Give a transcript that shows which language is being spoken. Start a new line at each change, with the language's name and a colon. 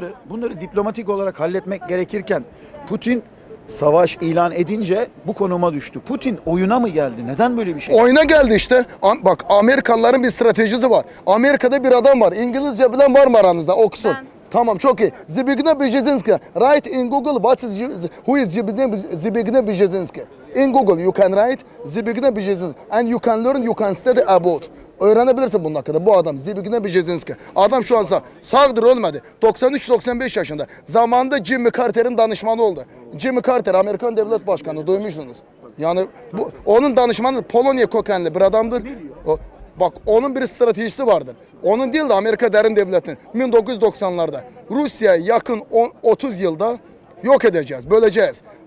Turkish: Bunları diplomatik olarak halletmek gerekirken Putin savaş ilan edince bu konuma düştü. Putin oyuna mı geldi? Neden böyle bir şey? Oyuna geldi işte. Bak Amerikalıların bir stratejisi var. Amerika'da bir adam var. İngilizce bilen var mı aranızda? Okusun. Ben. Tamam çok iyi. Zbigniew Brzezinski.
English: Write in Google what is who is Zbigniew Brzezinski. In Google you can write Zbigniew Brzezinski and you can learn, you can study about.
Turkish: Öğrenebilirsin bunun hakkında. Bu adam Zbigniew Brzezinski. Adam şu an sağdır, ölmedi. 93-95 yaşında. Zamanında Jimmy Carter'in danışmanı oldu. Jimmy Carter Amerikan Devlet Başkanı, duymuşsunuz. Yani bu onun danışmanı, Polonya kökenli bir adamdır. O, bak onun bir stratejisi vardır. Onun değil de Amerika Derin Devleti'nin 1990'larda Rusya'ya yakın 30 yılda yok edeceğiz, böleceğiz.